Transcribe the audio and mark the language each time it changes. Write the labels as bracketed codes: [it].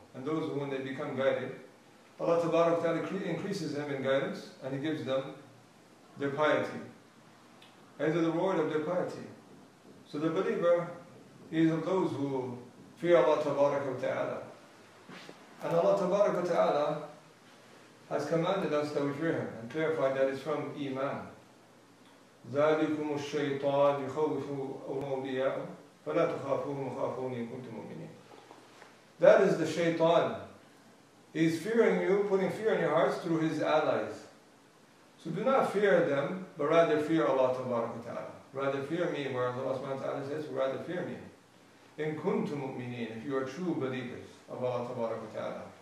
[en] And those who, when they become guided, Allah tabarak wa ta'ala increases them in guidance and He gives them their piety. And the reward of their piety. So the believer, he is of those who fear Allah tabarak wa ta'ala. And Allah tabarak wa ta'ala has commanded us that we fear Him and clarified that it's from Iman. [ar] ذلكم الشيطان يخوف أولياءه فلا تخافوهم وخافوني إن كنتم مؤمنين. [en] That is the shaitan. He's fearing you, putting fear in your hearts through his allies. So do not fear them, but rather fear Allah tabarak wa ta'ala. Rather fear me, whereas Allah subhanahu wa ta'ala says, rather fear me. [ar] In kuntum mu'mineen, [en] if you are true believers of Allah tabarak wa ta'ala.